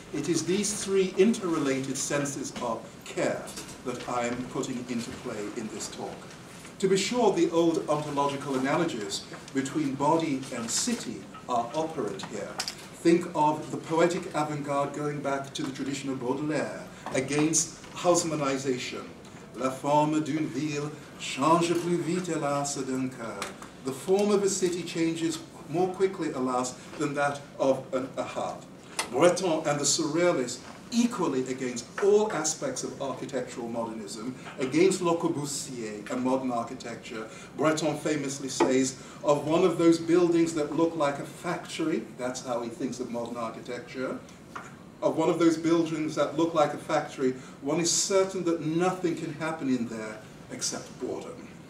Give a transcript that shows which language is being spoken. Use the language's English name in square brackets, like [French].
[English] It is these three interrelated senses of care that I am putting into play in this talk. To be sure, the old ontological analogies between body and city are operant here. Think of the poetic avant-garde going back to the tradition of Baudelaire against Haussmannization. [French] La forme d'une ville change plus vite, hélas, d'un cœur. [English] The form of a city changes more quickly, alas, than that of a heart. Breton and the Surrealists, equally against all aspects of architectural modernism, against Le Corbusier and modern architecture, Breton famously says, of one of those buildings that look like a factory, that's how he thinks of modern architecture, of one of those buildings that look like a factory, one is certain that nothing can happen in there except boredom.